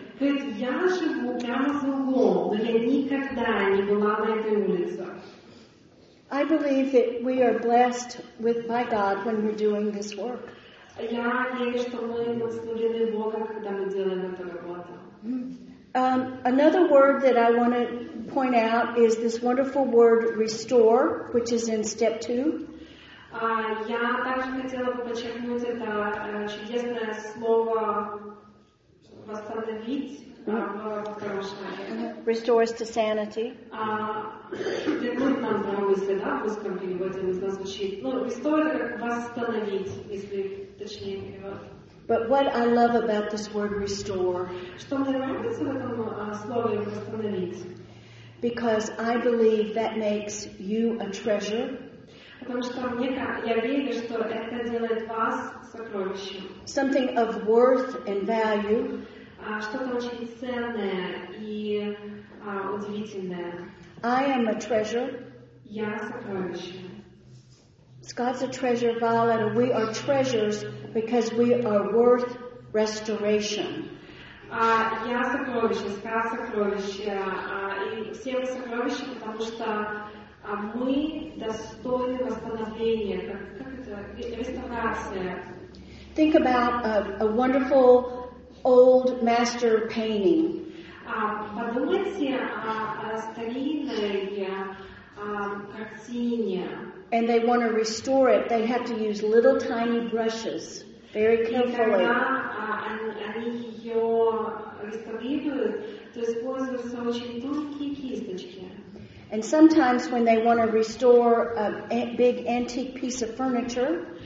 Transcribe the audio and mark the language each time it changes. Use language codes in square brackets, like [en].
[en] I believe that we are blessed by God when we're doing this work. [ru] Я верю, что мы благословлены [en] Another word that I want to point out is this wonderful word restore, which is in step two. [ru] Я также хотела бы подчеркнуть это чудесное слово восстановить в [en] Restore us to sanity. [ru] Вернуть нам здоровье, если да, в русском переводе нужно звучит. Ну, restore это как восстановить, если точнее перевод. [en] But what I love about this word restore, [ru] что мне нравится в этом слове восстановить, [en] because I believe that makes you a treasure. [ru] Потому что мне, я верю, что это делает вас сокровищем. [en] Something of worth and value. [ru] Что-то очень ценное и удивительное. [en] I am a treasure. [ru] Я сокровище. [en] Scott's a treasure, Violet, and we are treasures because we are worth restoration. [ru] Я сокровище, Scott сокровище, и все мы сокровища, потому что мы достойны восстановления, как это, реставрация. [en] Think about a wonderful old master painting. [ru] Подумайте о старинной картине. [en] And they want to restore it, they have to use little tiny brushes, very carefully. [ru] И когда они ее реставрируют, то используются очень тонкие кисточки. [en] And sometimes when they want to restore a big antique piece of furniture,